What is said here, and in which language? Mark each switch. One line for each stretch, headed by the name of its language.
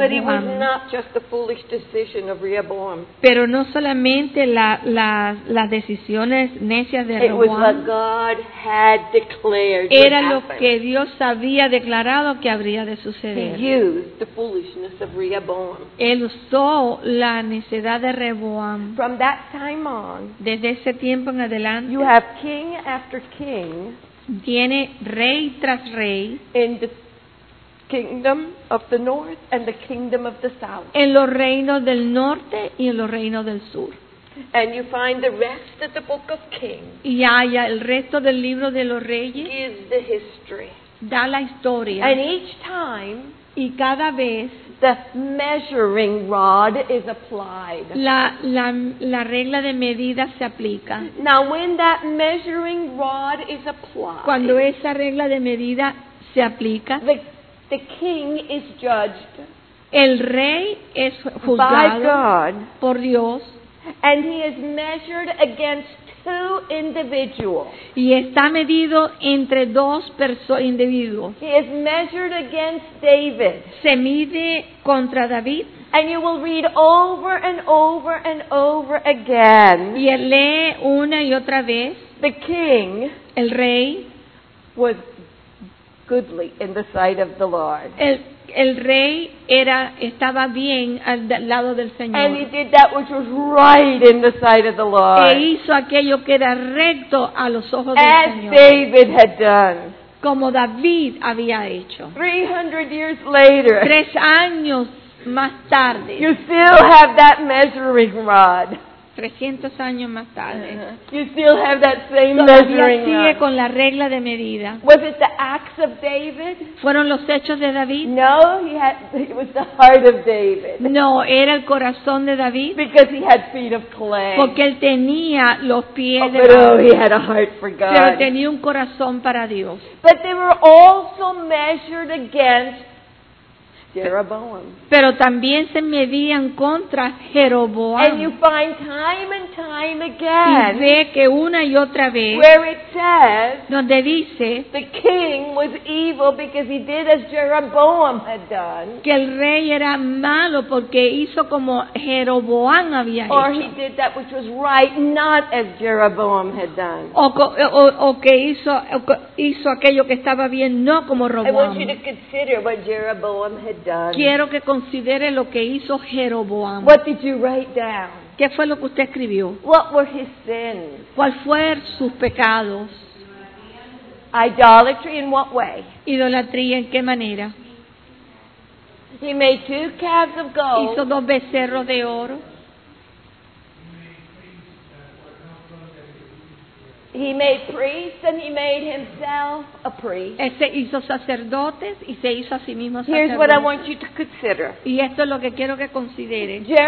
English: But it was not just the foolish decision of Rehoboam.
Spanish: Pero no solamente las decisiones necias de Rehoboam.
English: It was what God had declared.
Spanish: Era lo que Dios había declarado que habría de suceder.
English: He used the foolishness of Rehoboam.
Spanish: Él usó la necedad de Rehoboam.
English: From that time on,
Spanish: desde ese tiempo en adelante,
English: you have king after king.
Spanish: Tiene rey tras rey
English: in the kingdom of the north and the kingdom of the south.
Spanish: En los reinos del norte y en los reinos del sur.
English: And you find the rest of the book of Kings.
Spanish: Y haya el resto del libro de los reyes.
English: Is the history.
Spanish: Da la historia.
English: And each time,
Spanish: y cada vez,
English: the measuring rod is applied.
Spanish: La regla de medida se aplica.
English: Now when that measuring rod is applied,
Spanish: cuando esa regla de medida se aplica,
English: the king is judged.
Spanish: El rey es juzgado
English: by God,
Spanish: por Dios,
English: and he is measured against two individuals.
Spanish: Y está medido entre dos individuos.
English: He is measured against David.
Spanish: Se mide contra David.
English: And you will read over and over and over again.
Spanish: Y él lee una y otra vez.
English: The king,
Spanish: el rey,
English: was goodly in the sight of the Lord.
Spanish: El rey estaba bien al lado del Señor.
English: And he did that which was right in the sight of the Lord.
Spanish: E hizo aquello que era recto a los ojos del Señor.
English: As David had done.
Spanish: Como David había hecho.
English: 300 years later.
Spanish: 300 años más tarde.
English: You still have that measuring rod.
Spanish: 300 años más tarde.
English: You still have that same measuring rod.
Spanish: Sigue con la regla de medida.
English: Was it the acts of David?
Spanish: ¿Fueron los hechos de David?
English: No, it was the heart of David.
Spanish: No, era el corazón de David.
English: Because he had feet of clay.
Spanish: Porque él tenía los pies oh, de barro.
English: Oh, he had a heart for God.
Spanish: Pero tenía un corazón para Dios.
English: But they were also measured against Jeroboam.
Spanish: Pero también se medían contra Jeroboam.
English: And you find time and time again.
Spanish: Y ve que una y otra vez.
English: Where it says.
Spanish: Donde dice.
English: The king was evil because he did as Jeroboam had done.
Spanish: Que el rey era malo porque hizo como Jeroboam había hecho.
English: Or he did that which was right, not as Jeroboam had done.
Spanish: O que hizo aquello que estaba bien, no como Roboam.
English: I want you to consider what Jeroboam had done.
Spanish: Quiero que considere lo que hizo Jeroboam.
English: What did you write down?
Spanish: ¿Qué fue lo que usted escribió?
English: What were his sins?
Spanish: ¿Cuál fueron sus pecados?
English: Idolatry in what way?
Spanish: ¿Idolatría en qué manera?
English: He made two calves of gold.
Spanish: Hizo dos becerros de oro.
English: He made priests and he made himself a priest.
Spanish: Ese hizo sacerdotes y se hizo a sí mismo sacerdote.
English: Here's what I want you to consider.
Spanish: Y esto es lo que quiero que considere.